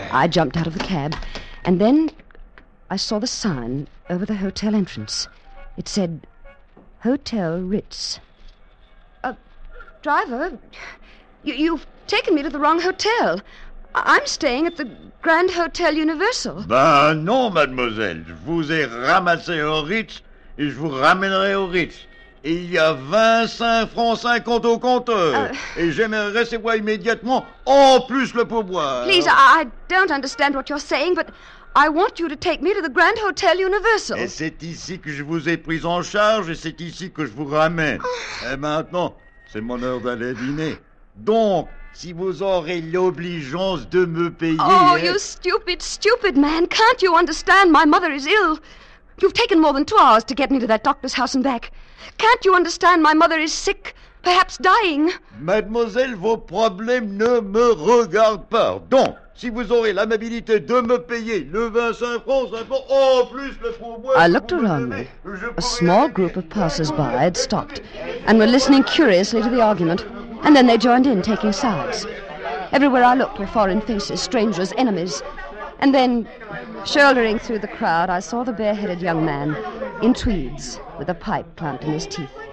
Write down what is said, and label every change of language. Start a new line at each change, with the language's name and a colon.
English: I jumped out of the cab, and then I saw the sign over the hotel entrance. It said, Hotel Ritz. Driver, you've taken me to the wrong hotel. I'm staying at the Grand Hotel Universal.
French: Ben non, mademoiselle. Je vous ai ramassé au Ritz et je vous ramènerai au Ritz. Et il y a 25 francs 50 au compteur. Et j'aimerais recevoir immédiatement en plus le pourboire.
English: Please, I don't understand what you're saying, but I want you to take me to the Grand Hotel Universal.
French: Et c'est ici que je vous ai pris en charge et c'est ici que je vous ramène. Et maintenant, c'est mon heure d'aller dîner. Donc, si vous aurez l'obligeance de me payer...
English: Oh, you stupid, stupid man. Can't you understand? My mother is ill. You've taken more than 2 hours to get me to that doctor's house and back. Can't you understand? My mother is sick, perhaps dying.
French: Mademoiselle, vos problèmes ne me regardent pas. Donc, si vous aurez l'amabilité de me payer le 25 francs, en plus le pourboire...
English: I looked around me. A small group of passers-by had stopped and were listening curiously to the argument. And then they joined in, taking sides. Everywhere I looked were foreign faces, strangers, enemies. And then, shouldering through the crowd, I saw the bareheaded young man in tweeds with a pipe clamped in his teeth.